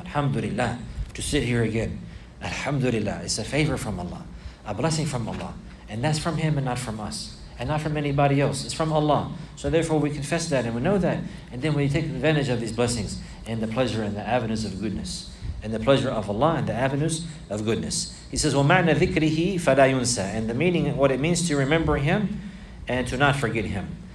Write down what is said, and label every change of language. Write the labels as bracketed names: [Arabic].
[English] Alhamdulillah, to sit here again. Alhamdulillah, it's a favor from Allah, a blessing from Allah. And that's from Him and not from us. And not from anybody else. It's from Allah. So therefore we confess that and we know that. And then we take advantage of these blessings and the pleasure and the avenues of goodness. And the pleasure of Allah and the avenues of goodness. He says, [Arabic] وَمَعْنَ ذِكْرِهِ فَلَا يُنْسَى. [English] And the meaning, what it means to remember Him and to not forget Him.